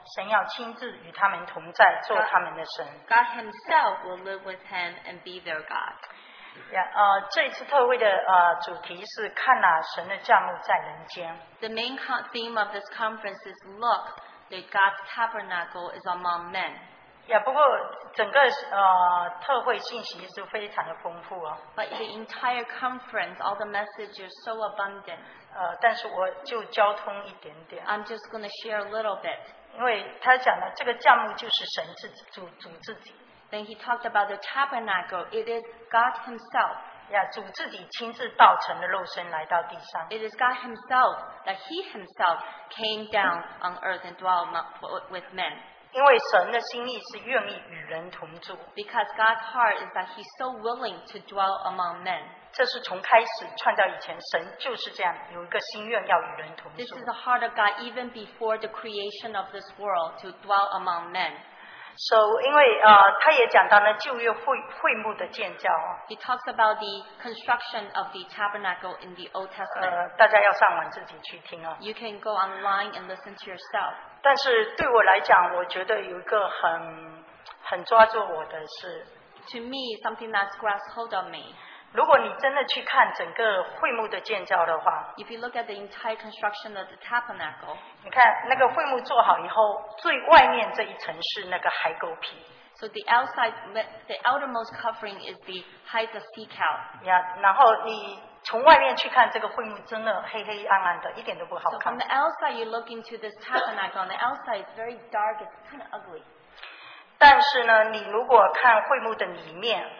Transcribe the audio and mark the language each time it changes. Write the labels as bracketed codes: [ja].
[zh] 神要亲自与他们同在, 做他们的神。 [en] God himself will live with him and be their God. Yeah, [zh] 这次特会的, 主题是看哪神的帐幕在人间。 [en] The main theme of this conference is Look, that God's tabernacle is among men. Yeah, [zh] 不过整个, 特会信息是非常的丰富哦。 [en] But the entire conference, all the messages are so abundant. [zh] 但是我就交通一点点。 [en] I'm just going to share a little bit. [zh] 因为他讲了这个帐幕就是神自己, 主自己。 [en] Then he talked about the tabernacle, it is God himself. [zh] 主自己亲自道成的肉身来到地上。 [en] It is God himself that he himself came down on earth and dwelt with men. [zh] 因为神的心意是愿意与人同住。 [en] Because God's heart is that he's so willing to dwell among men. [zh] 这是从开始创造以前神就是这样有一个心愿要与人同住。 [en] This is the heart of God even before the creation of this world to dwell among men. So, [zh] 因为, 他也讲到了旧约会幕的建造, [en] he talks about the construction of the tabernacle in the Old Testament. [zh] 大家要上网自己去听哦。 [en] You can go online and listen to yourself. [zh] 但是对我来讲, 我觉得有一个很抓住我的是, [en] to me, something that's grasped hold of me. [zh] 如果你真的去看整个会幕的建造的话, [en] if you look at the entire construction of the tabernacle, [zh] 你看那个会幕做好以后, 最外面这一层是那个海狗皮。 [en] So the outside, the outermost covering is the hides of sea cow. Yeah, [zh] 然后你从外面去看这个会幕真的黑黑暗暗的, 一点都不好看。 [en] So from the outside, you look into this tabernacle, on the outside, it's very dark, it's kind of ugly. [zh] 但是呢, 你如果看会幕的里面,